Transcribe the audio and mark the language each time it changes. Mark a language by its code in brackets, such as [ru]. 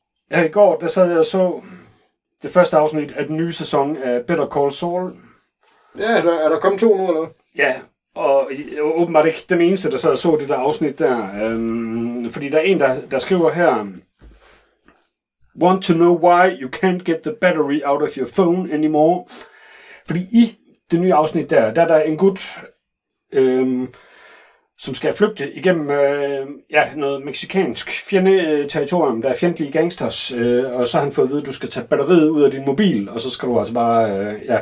[da] Ja, i går, der sad jeg og så det første afsnit af den nye sæson af Better Call Saul. Ja, er der kommet to nu, eller hvad? Ja, og åbenbart ikke den eneste, der sad og så det der afsnit der. Fordi der er en, der skriver her, [en] want to know why you can't get the battery out of your phone anymore? [da] Fordi i det nye afsnit der er der en gut, som skal flygte igennem noget mexicansk fjendeterritorium, der er fjendtlige gangsters, og så har han fået at vide, at du skal tage batteriet ud af din mobil, og så skal du altså bare,